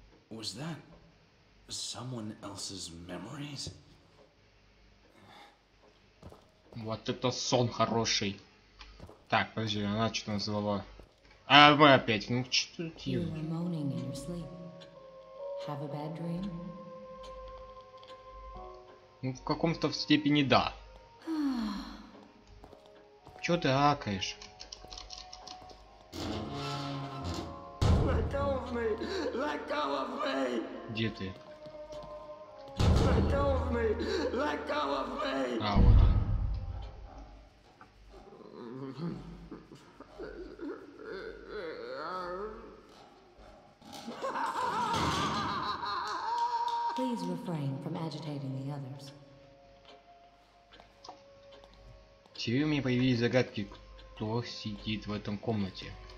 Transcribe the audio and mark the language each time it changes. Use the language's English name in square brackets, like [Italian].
[English] Was that someone else's memories? [Russian] Вот это сон хороший. Так, подожди, она что-то назвала. А мы опять, ну что тут? [English] You were moaning in your sleep. Have a bad dream? [Russian] Ну, в каком-то степени да. Чё ты акаешь? Где ты? А, вот он. [English] Please refrain from agitating the others. [Russian] Теперь у меня появились загадки, кто сидит в этом комнате.